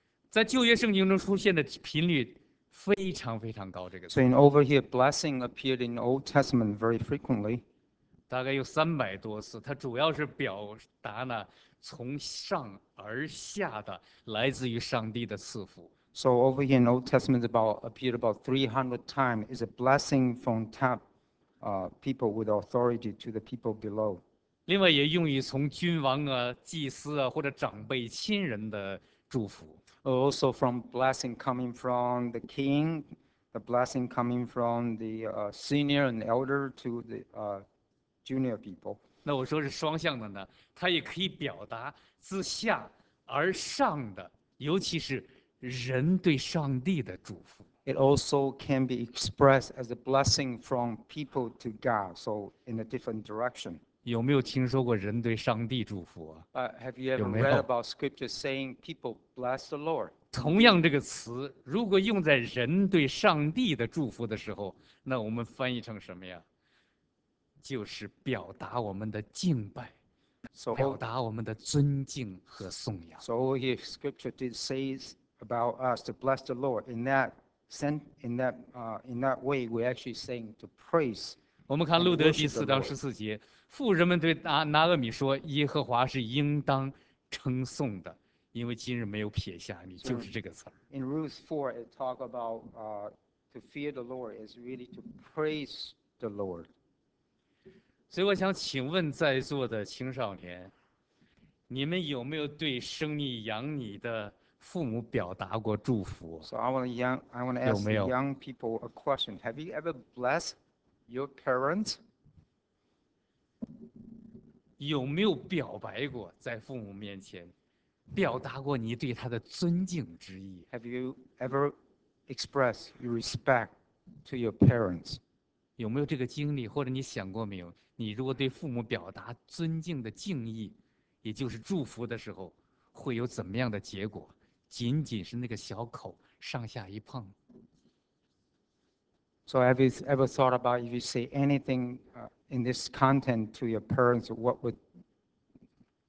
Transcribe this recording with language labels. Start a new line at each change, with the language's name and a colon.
Chinese: 在旧约圣经中出现的频率非常非常高，这个词。
English: So in over here, blessing appeared in the Old Testament very frequently.
Chinese: 大概有300多次，它主要是表达呢从上而下的来自于上帝的赐福。
English: So over here in the Old Testament appeared about 300 times is a blessing from top, people with authority to the people below.
Chinese: 另外也用于从君王啊、祭司啊或者长辈亲人的祝福。
English: Also from blessing coming from the king, the blessing coming from the senior and elder to the junior people.
Chinese: 那我说是双向的呢，它也可以表达自下而上的，尤其是人对上帝的祝福。
English: It also can be expressed as a blessing from people to God, so in a different direction.
Chinese: 有没有听说过人对上帝祝福啊？
English: Have you ever read about scripture saying people bless the Lord?
Chinese: 同样这个词，如果用在人对上帝的祝福的时候，那我们翻译成什么呀？就是表达我们的敬拜，表达我们的尊敬和颂扬。
English: So if scripture did says about us to bless the Lord in that sense, in that way, we actually saying to praise.
Chinese: 我们看路德记4:14，妇人们对拿俄米说：“耶和华是应当称颂的，因为今日没有撇下你。” 就是这个词。
English: In Ruth 4, it talk about to fear the Lord is really to praise the Lord.
Chinese: 所以我想请问在座的青少年，你们有没有对生你养你的父母表达过祝福？
English: So I want to ask the young people a question. Have you ever blessed your parents?
Chinese: 有没有表白过在父母面前，表达过你对他的尊敬之意？
English: Have you ever expressed your respect to your parents?
Chinese: 有没有这个经历，或者你想过没有，你如果对父母表达尊敬的敬意，也就是祝福的时候，会有怎么样的结果？仅仅是那个小口上下一碰。
English: So have you ever thought about if you say anything in this content to your parents, what would parents feel?